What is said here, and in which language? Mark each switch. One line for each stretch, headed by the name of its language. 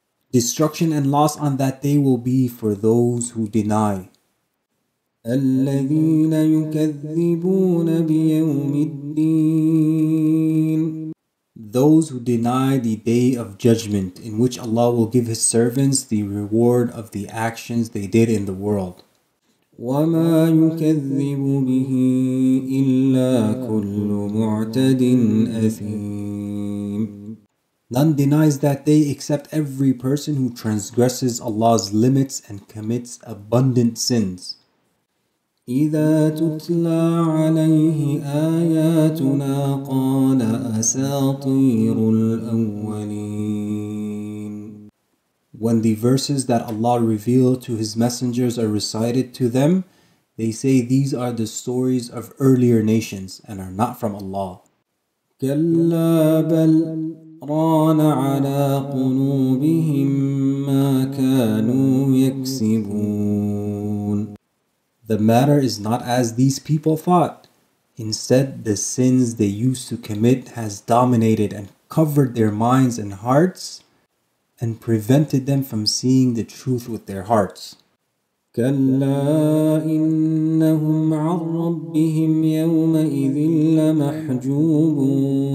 English: Destruction and loss on that day will be for those who deny.
Arabic: الذين يكذبون بيوم الدين.
English: Those who deny the day of judgment in which Allah will give His servants the reward of the actions they did in the world.
Arabic: وما يكذب به إلا كل معتد أثيم.
English: None denies that day except every person who transgresses Allah's limits and commits abundant sins.
Arabic: إذا تتلى عليه آياتنا قال أساطير الأولين.
English: When the verses that Allah revealed to His messengers are recited to them, they say these are the stories of earlier nations and are not from Allah.
Arabic: كلا بل ران على قلوبهم ما كانوا يكسبون.
English: The matter is not as these people thought. Instead, the sins they used to commit has dominated and covered their minds and hearts and prevented them from seeing the truth with their hearts.
Arabic: كلا إنهم عن ربهم يومئذ لمحجوبون.